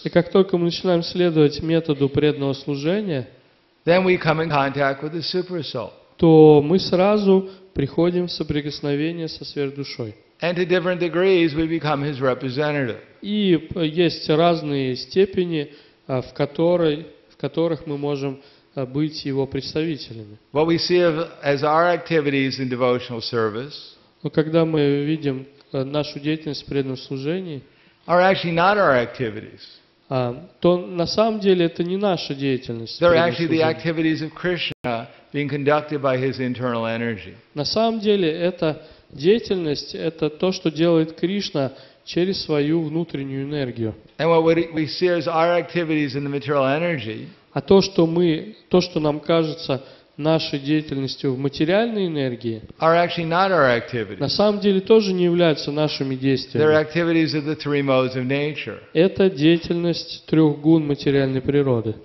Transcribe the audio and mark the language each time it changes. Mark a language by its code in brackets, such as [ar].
[ru] и как только мы начинаем следовать методу преданного служения, [en] then we come in contact with the super soul. [ru] То мы сразу приходим в соприкосновение со сверхдушой. [en] And to different degrees we become his representative. [ru] И есть разные степени, в которых мы можем быть его представителями. [en] What we see as our activities in devotional service, [ru] но когда мы видим нашу деятельность в преданном служении, [en] are actually not our activities. [ru] то на самом деле это не наша деятельность. На самом деле это деятельность, это то, что делает Кришна через свою внутреннюю энергию. [en] And what we see is our activities in the material energy. [ru] А то, что мы, то, что нам кажется нашей деятельностью в материальной энергии, [en] are actually not our activities. [ru] На самом деле тоже не являются нашими действиями. [en] They're activities of the three modes of nature. [ru] Это деятельность трех гун материальной природы.